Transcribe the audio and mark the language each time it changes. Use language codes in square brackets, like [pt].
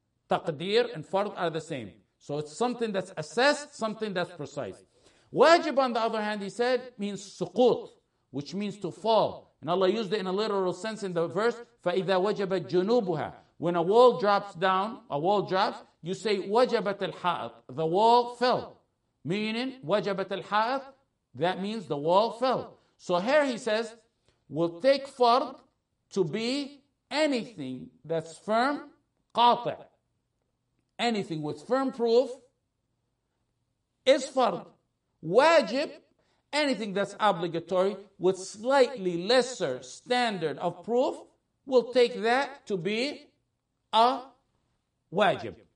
[en] Taqdir and fard are the same. So it's something that's assessed, something that's precise. Wajib, on the other hand, he said, means suqut, which means to fall. And Allah used it in a literal sense in the verse, فَإِذَا وَجَبَتْ جُنُوبُهَا. When a wall drops down, a wall drops, you say, وَجَبَتْ الْحَائِطُ. The wall fell. [ar] Meaning, وَجَبَتْ الْحَائِطُ. [en] That means the wall fell. So here he says, we'll take fard to be anything that's firm, qati'. Anything with firm proof is fard. Wajib, anything that's obligatory with slightly lesser standard of proof, we'll take that to be a wajib.